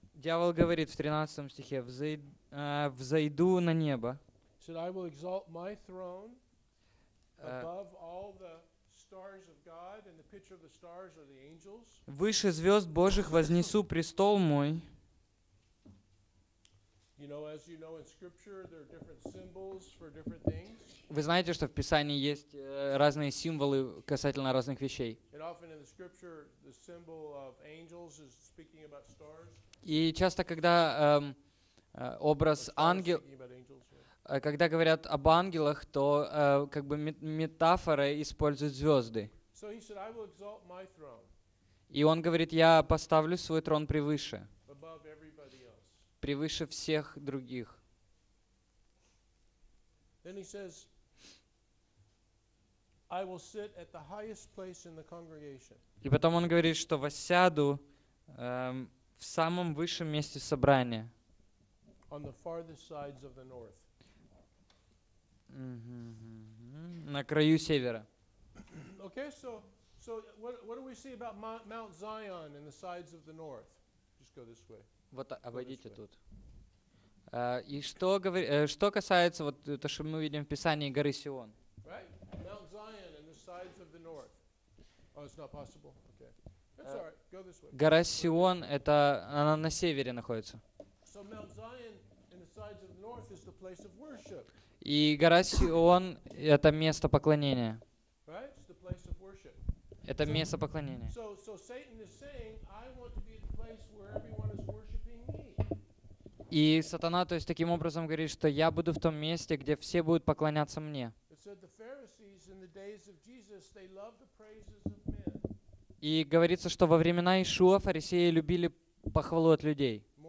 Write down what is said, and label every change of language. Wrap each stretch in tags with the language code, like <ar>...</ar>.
<ru>Дьявол говорит в 13 стихе, взойду на небо.</ru> <en>He said, I will exalt my throne above all the stars of God, and the picture of the stars are the angels.</en> <ru>Выше звезд Божьих вознесу престол мой.</ru> <en>You know, as you know in Scripture, there are different symbols for different things.</en> <ru>Вы знаете, что в Писании есть разные символы касательно разных вещей.</ru> <en>And often in the Scripture, the symbol of angels is speaking about stars.</en> <ru>И часто, когда образ ангелов, когда говорят об ангелах, то как бы метафора использует звезды.</ru> <en>So he said, I will exalt my throne.</en> <ru>И он говорит, я поставлю свой трон превыше.</ru> <en>Above everybody else.</en> <ru>Превыше всех других.</ru> <en>Then he says, I will sit at the highest place in the congregation.</en> <ru>И потом он говорит, что воссяду в самом высшем месте собрания.</ru> <en>On the farthest sides of the north.</en> <ru>На краю севера.</ru> <en>Okay, so what do we see about Mount Zion and the sides of the north? Just go this way.</en> <ru>Вот обойдите тут. И что что касается вот то, что мы видим в Писании горы Сион.</ru> <en>Right, Mount Zion and the sides of the north. Oh, it's not possible. Okay, that's all right. Go this way.</en> <ru>Гора Сион, это она на севере находится.</ru> <en>So Mount Zion and the sides of the north is the place of worship.</en> <ru>И гора Сион — это место поклонения.</ru> <en>Right? It's the place of worship.</en> <ru>Это место поклонения.</ru> <en>So Satan is saying, I want to be at the place where everyone is worshiping me.</en> <ru>И сатана, то есть, таким образом говорит, что я буду в том месте, где все будут поклоняться мне.</ru> <en>It said the Pharisees in the days of Jesus, they loved the praises of men.</en> <ru>И говорится, что во времена Иешуа фарисеи любили похвалу от людей.</ru>